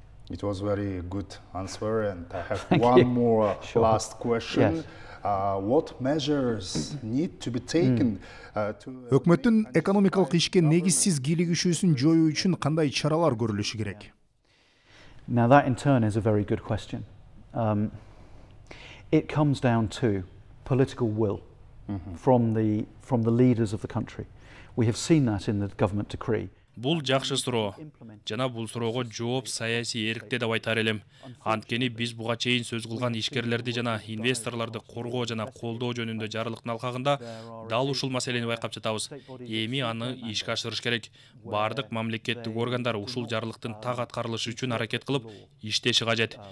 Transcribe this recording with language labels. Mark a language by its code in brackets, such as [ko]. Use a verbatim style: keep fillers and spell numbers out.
[en] It was very good answer, and I have one more sure. last question. Yes. Uh, what measures need to be taken uh, to [ky] Өкмөттүн экономикалык ишке негизсиз кийлигишүүсүн жоюу үчүн кандай чаралар көрүлүшү керек? [en] Now that in turn is a very good question. Um, it comes down to political will mm-hmm. from the from the leaders of the country. We have seen that in the government decree. [ky] Бул жакшы суроо жана бул суроого жооп саясий эркте деп айтар элем. Анткени биз буга чейин сөз кылган ишкерлерди жана инвесторлорду коргоо жана колдоо жөнүндө жарлыктын алкагында дал ушул маселени байкап жатабыз. Эми аны ишке ашырыш керек. Бардык мамлекеттик органдар ушул жарлыктын так аткарылышы үчүн аракет кылып иштеши кажет.